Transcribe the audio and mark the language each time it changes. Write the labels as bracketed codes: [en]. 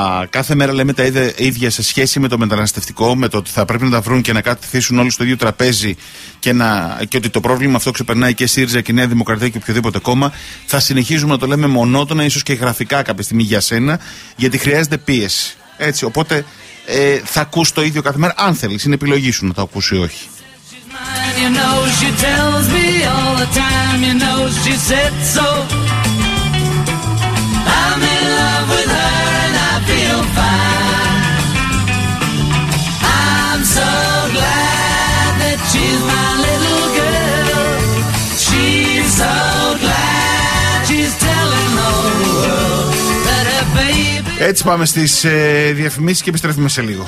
[el] Κάθε μέρα λέμε τα ίδια σε σχέση με το μεταναστευτικό, με το ότι θα πρέπει να τα βρουν και να καθίσουν όλοι στο ίδιο τραπέζι και ότι το πρόβλημα αυτό ξεπερνάει και ΣΥΡΙΖΑ και Νέα Δημοκρατία και οποιοδήποτε κόμμα. Θα συνεχίζουμε να το λέμε μονότονα, ίσως και γραφικά κάποια στιγμή για σένα, γιατί χρειάζεται πίεση. Έτσι, οπότε θα ακούς το ίδιο κάθε μέρα, αν θέλεις, είναι επιλογή σου να το ακούς ή όχι. [en] You know she tells me all the time, you know she said so. I'm in love with her and I feel fine. I'm so glad that she's my little girl. She's so glad she's telling the world that her baby. [el] Έτσι πάμε στις διαφημίσεις και επιστρέφουμε σε λίγο.